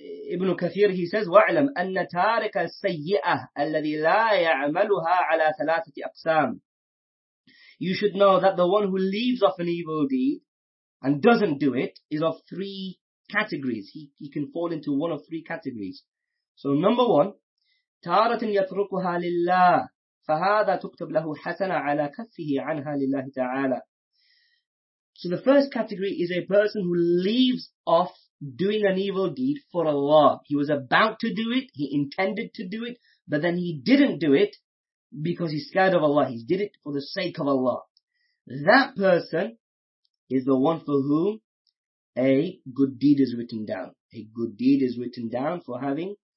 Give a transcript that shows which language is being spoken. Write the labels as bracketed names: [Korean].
[English] Ibn Kathir, he says, [Arabic] وَعْلَمْ أَنَّ تَارِكَ السَّيِّئَةَ الَّذِي لَا يَعْمَلُهَا عَلَىٰ ثَلَاثَةِ أَقْسَامٍ. [English] You should know that the one who leaves off an evil deed and doesn't do it is of 3 categories. He can fall into one of 3 categories. So number one, [Arabic] تَارَةٍ يَتْرُكُهَا لِلَّهِ فَهَذَا تُكْتَبْ لَهُ حَسَنًا عَلَىٰ كَفِّهِ عَنْهَا لِلَّهِ تَعَالَى. [English] So the first category is a person who leaves off doing an evil deed for Allah. He was about to do it, he intended to do it, but then he didn't do it because he's scared of Allah. He did it for the sake of Allah. That person is the one for whom a good deed is written down. A good deed is written down for having